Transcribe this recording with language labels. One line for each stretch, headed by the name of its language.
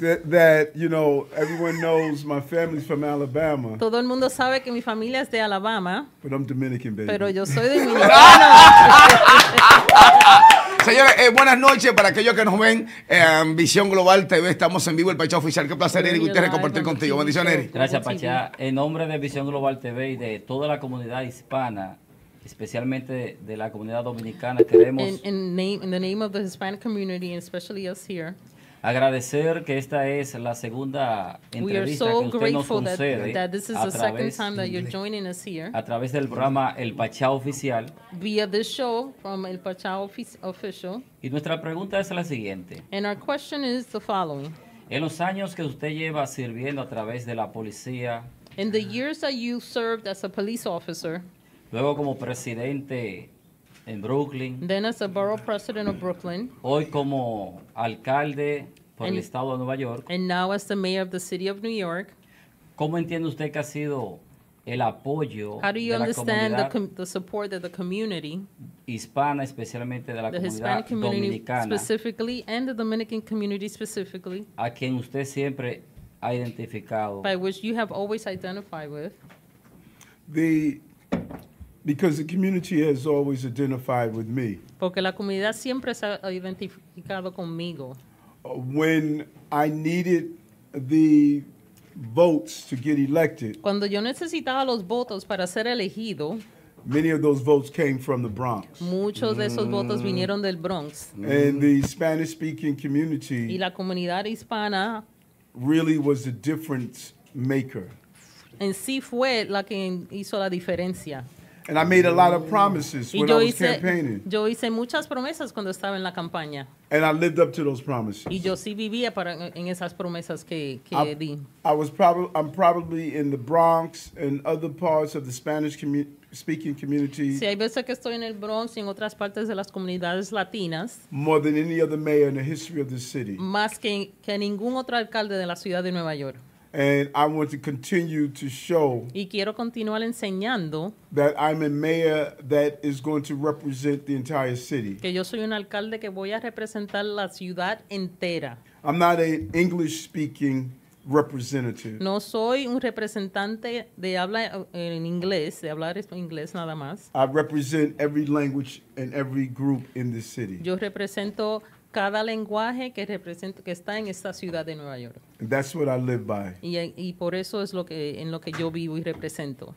English: that, you know, everyone knows my family's from Alabama.
Spanish: Todo el mundo sabe que mi familia es de Alabama.
English: But I'm Dominican, baby.
Spanish: Pero yo soy dominicana. Señores, buenas noches para aquellos que nos ven en Visión Global TV. Estamos en vivo, el Pacha Oficial. Qué placer, Eric, gustaría compartir contigo. Bendiciones, Eric. Gracias, Pacha. En nombre de Visión Global TV y de toda la comunidad hispana, especialmente de la comunidad dominicana, queremos
English: in the name of the Hispanic community and especially us here,
Spanish: agradecer que esta es la segunda entrevista
English: so
Spanish: que usted nos concede a través del programa El Pachá Oficial
English: via this show from El Pachá Official.
Spanish: Y nuestra pregunta es la siguiente.
English: And our question is the following.
Spanish: En los años que usted lleva sirviendo a través de la policía,
English: in the years that you served as a police officer,
Spanish: luego como presidente en Brooklyn.
English: Then as a borough president of Brooklyn.
Spanish: Hoy como alcalde por el estado de Nueva York.
English: And now as the mayor of the city of New York.
Spanish: ¿Cómo entiende usted que ha sido el apoyo de la comunidad?
English: How do you understand the support of the community?
Spanish: Hispana, especialmente de la comunidad
English: The Hispanic community specifically and the Dominican community specifically.
Spanish: A quien usted siempre ha identificado.
English: By which you have always identified with. Because the community has always identified with me.
Spanish: Porque la comunidad siempre se ha identificado conmigo.
English: When I needed the votes to get elected.
Spanish: Cuando yo necesitaba los votos para ser elegido.
English: Many of those votes came from the Bronx.
Spanish: Muchos de esos votos vinieron del Bronx.
English: And the Spanish-speaking community.
Spanish: Y la comunidad hispana.
English: Really was a difference maker.
Spanish: En sí fue la que hizo la diferencia.
English: And I made a lot of promises when
Spanish: yo
English: I was campaigning.
Spanish: Yo hice muchas promesas cuando estaba en la campaña.
English: And I lived up to those promises.
Spanish: Y yo sí vivía para, en esas promesas que di.
English: I'm probably in the Bronx and other parts of the Spanish speaking community.
Spanish: Sí, hay veces que estoy en el Bronx y en otras partes de las comunidades latinas.
English: More than any other mayor in the history of this city.
Spanish: Más que ningún otro alcalde de la ciudad de Nueva York.
English: And I want to continue to show
Spanish: y quiero continuar enseñando
English: that I'm a mayor that is going to represent the entire city.
Spanish: Que yo soy un alcalde que voy a representar la ciudad entera.
English: I'm not an English-speaking representative.
Spanish: No soy un representante de habla en inglés, de hablar inglés nada más.
English: I represent every language and every group in this city.
Spanish: Yo represento cada lenguaje que represento que está en esta ciudad de Nueva York.
English: That's what I live by.
Spanish: Y por eso es lo que en lo que yo vivo y represento.